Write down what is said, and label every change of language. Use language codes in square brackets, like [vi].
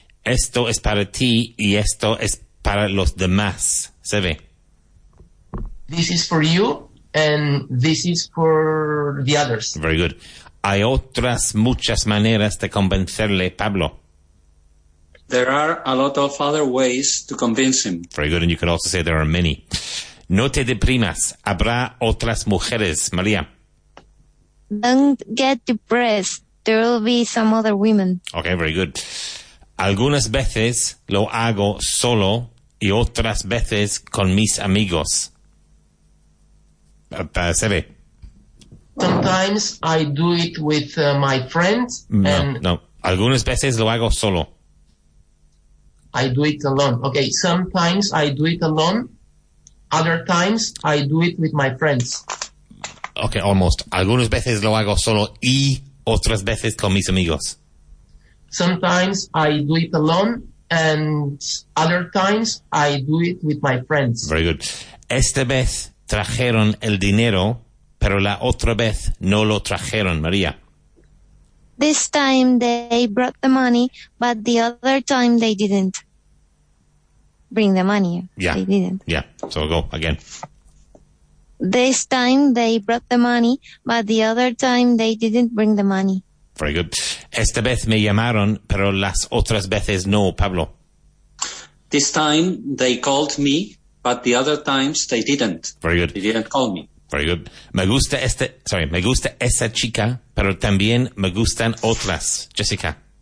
[es] Esto es para ti y esto es para los demás. ¿Se ve? [en] This is for you and this is for the others. Very good. [es] Hay otras muchas maneras de convencerle, Pablo. [en] There are a lot of other ways to convince him. Very good, and you could also say there are many. [es] No te deprimas. Habrá otras mujeres, María. [en] Don't get depressed. There will be some other women. Okay, very good. [es] Algunas veces lo hago solo y otras veces con mis amigos. Sebe. [en] Sometimes I do it with my friends. [es] Algunas veces lo hago solo. [en] I do it alone. Okay, sometimes I do it alone. Other times I do it with my friends. Okay, almost. Algunas veces lo hago solo y otras veces con mis amigos. Sometimes I do it alone and other times I do it with my friends. Very good. [es] Esta vez trajeron el dinero, pero la otra vez no lo trajeron, María. [en] This time they brought the money, but the other time they didn't bring the money. Yeah. They didn't. Yeah, so go again. This time they brought the money, but the other time they didn't bring the money. Very good. [es] Esta vez me llamaron, pero las otras veces no, Pablo. [en] This time they called me, but the other times they didn't. Very good. They didn't call me. Very good. [es] Me gusta esa chica, pero también me gustan otras, Jessica.